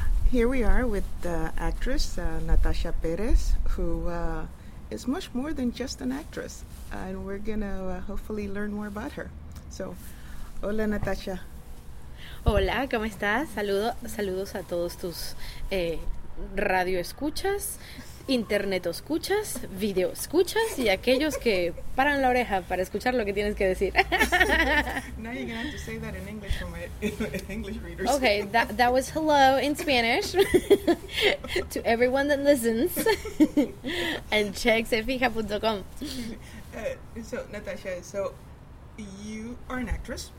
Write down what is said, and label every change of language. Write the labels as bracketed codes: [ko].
[en] Here we are with the actress Natasha Perez, who is much more than just an actress, and we're going to hopefully learn more about her. So, hola Natasha. [es] Hola, ¿cómo estás? Saludos a todos tus radio escuchas, internet escuchas, video escuchas y aquellos que paran la oreja para escuchar lo que tienes que decir. [en] Now you're going to have to say that in English for my English readers. Okay, that was hello in Spanish to everyone that listens and checks efija.com. So, Natasha, so you are an actress.